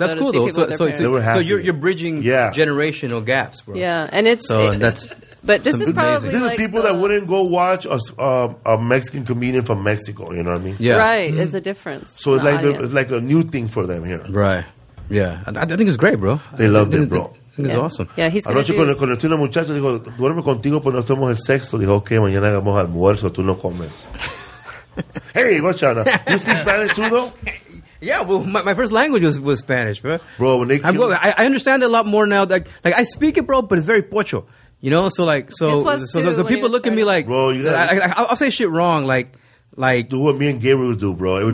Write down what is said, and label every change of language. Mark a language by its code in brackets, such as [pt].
[en] That's cool, though. So you're bridging generational gaps, bro. Yeah. And it's... But this is probably this like is people that wouldn't go watch a Mexican comedian from Mexico. You know what I mean? Yeah, right. Mm-hmm. It's a difference. So it's like a new thing for them here. Right. Yeah, I think it's great, bro. They loved it, bro. It's awesome. Yeah, he's going to do... [es] Anoche conocí una muchacha, dijo, duerme contigo, pero no somos el sexo. Dijo, okay, mañana hagamos almuerzo, tú no comes. [en] Hey, what's up? Do you speak Spanish too, though? Yeah, well, my first language was Spanish, bro. Bro, when they kill... I understand it a lot more now. Like I speak it, bro, but it's very pocho. You know, so like, so people look at me like, bro, you gotta, I'll say shit wrong, like. Do what me and Gabriel do, bro.